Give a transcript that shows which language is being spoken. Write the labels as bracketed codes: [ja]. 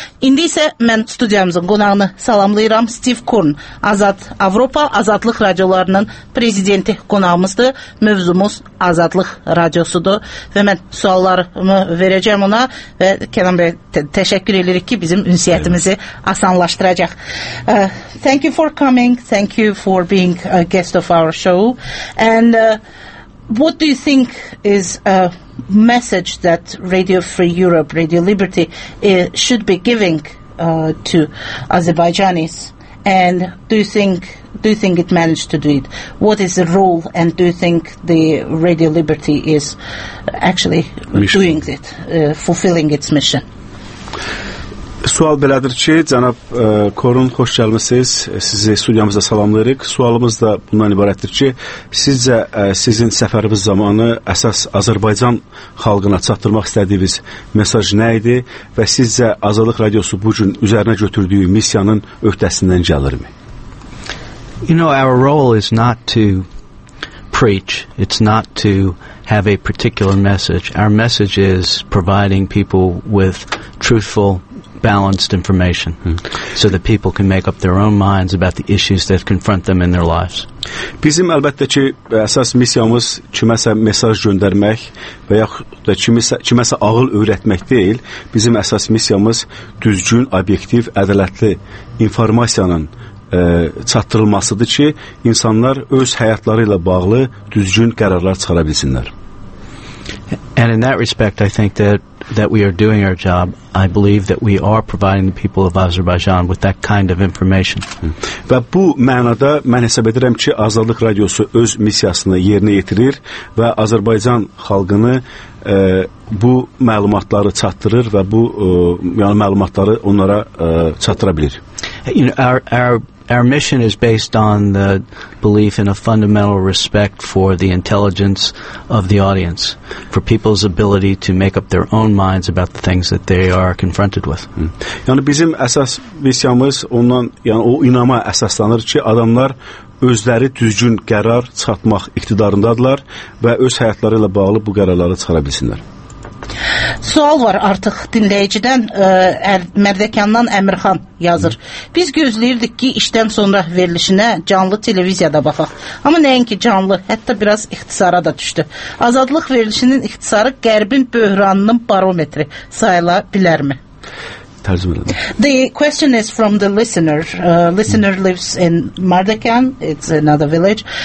[az] İndi isə mən studiyamızın qonağını salamlayıram. Stiv Kurn, Azad Avropa, Azadlıq Radiolarının prezidenti qonağımızdır. Mövzumuz Azadlıq Radiosudur. Və mən suallarımı verəcəm ona və Kenan Bey, təşəkkür edirik ki, bizim ünsiyyətimizi asanlaşdıracaq. [en] Thank you for coming. Thank you for being a guest of our show. And what do you think is a message that Radio Free Europe, Radio Liberty, should be giving to Azerbaijanis? And do you think it managed to do it? What is the role? And do you think the Radio Liberty is actually mission. Doing it, fulfilling its mission? [az] Sual belədir ki, cənab Korun, xoş gəlmişsiniz. Sizi studiyamızda salamlayırıq. Sualımız da bundan ibarətdir ki, sizcə sizin səfəriniz zamanı əsas Azərbaycan xalqına çatdırmaq istədiyiniz mesaj nə idi və sizcə Azadlıq Radiosu bugün üzərinə götürdüyü missiyanın öhdəsindən gəlirmi? [en] You know, our role is not to preach. It's not to have a particular message. Our message is providing people with truthful balanced information so that people can make up their own minds about the issues that confront them in their lives. [az] Bizim əlbəttə ki, əsas missiyamız kiməsə mesaj göndərmək və yaxud da kiməsə ağıl öyrətmək deyil. Bizim əsas missiyamız düzgün, obyektiv, ədalətli informasiyanın çatdırılmasıdır ki, insanlar öz həyatları ilə bağlı düzgün qərarlar çıxara bilsinlər. [en] And in that respect, I think that we are doing our job. I believe that we are providing the people of Azerbaijan with that kind of information. [az] Və bu mənada mən hesab edirəm ki, Azadlıq Radiosu öz missiyasını yerinə yetirir və Azərbaycan xalqını bu məlumatları çatdırır və bu yəni məlumatları onlara çatdıra bilir. [en] You know, our mission is based on the belief in a fundamental respect for the intelligence of the audience, for people's ability to make up their own minds about the things that they are confronted with. [az] Yəni bizim əsas missiyamız ondan, yəni o inama əsaslanır ki, adamlar özləri düzgün qərar çıxartmaq iqtidarındadırlar və öz həyatları ilə bağlı bu qərarları çıxara bilsinlər. Sual var artıq dinləyicidən, Mərdəkandan Əmirxan yazır. Biz gözləyirdik ki, işdən sonra verilişinə canlı televiziyada baxaq. Amma nəinki canlı, hətta biraz ixtisara da düşdü. Azadlıq verilişinin ixtisarı qərbin böhranının barometri sayıla bilərmi? [en] The question is from the listener. Listener lives in Mardakan, it's another village.